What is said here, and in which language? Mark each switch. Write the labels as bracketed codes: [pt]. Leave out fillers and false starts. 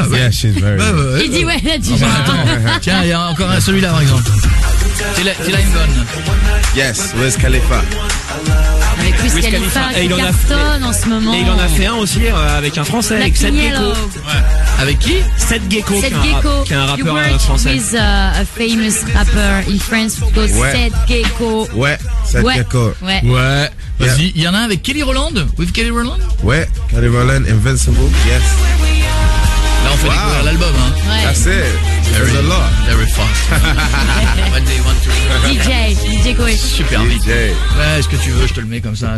[en] Yeah, she's very rich. [fr] Il dit ouais, là tu vois. Tiens, il y a encore un celui-là par exemple. Tilaim Gone. [en] Yes, Wiz Khalifa. [fr] Avec Wiz Khalifa, il cartonne en ce moment. Et il en a fait un aussi avec un français, avec Seth Gecko. Avec qui? Seth Gecko. Seth Gecko. Qui est un rappeur français. [en] With a famous rapper in France called Seth Gecko. [fr] Ouais. Ouais. Vas-y, il y en a un avec Kelly Rowland. [en] With Kelly Rowland. [fr] Ouais, Kelly Rowland, Invincible. Yes. Là, on fait découvrir l'album. Hein. Ouais. [en] That's it. Very, a lot. Very fast. When they want to. DJ Koué. Super DJ. [fr] Vite. Ouais, ce que tu veux, je te le mets comme ça.